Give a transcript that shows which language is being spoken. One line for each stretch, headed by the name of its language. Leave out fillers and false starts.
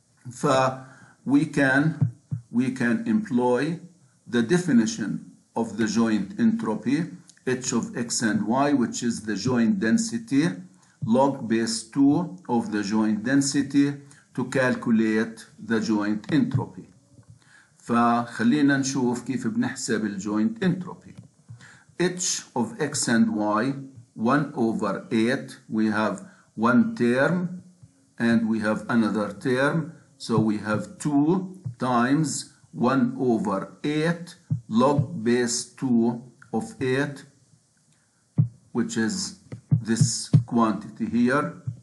English: ف we can employ the definition of the joint entropy h of x and y, which is the joint density log base 2 of the joint density, to calculate the joint entropy.
Arabic: فخلينا نشوف كيف بنحسب الجوينت انتروبي.
English: H of X and Y, 1 over 8, we have one term and we have another term, so we have 2 times 1 over 8 log base 2 of 8, which is this quantity here,